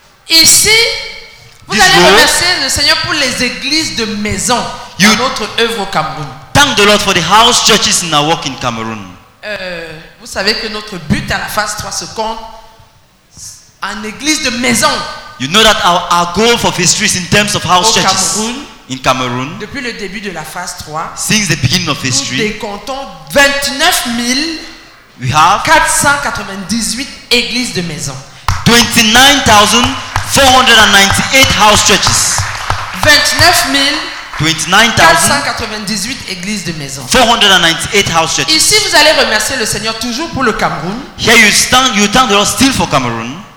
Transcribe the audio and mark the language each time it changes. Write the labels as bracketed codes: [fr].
[fr] Ici, vous allez remercier le Seigneur pour les églises de maison dans notre œuvre au Cameroun. [en] Thank the Lord for the house churches in our work in Cameroon. [fr] Vous savez que notre but à la phase 3 se compte en église de maison. [en] You know that our goal for phase 3 is in terms of house [fr] au [en] churches [fr] Cameroun, [en] in Cameroon. [fr] Depuis le début de la phase 3, [en] since the beginning of phase 3, [fr] nous décomptons 29,498 églises de maison. [en] 29,498 house churches. [fr] 29,498 églises de maison. [en] 498 house churches. [fr] Ici, vous allez remercier le Seigneur toujours pour le Cameroun. [en] Here you thank the Lord still for Cameroon.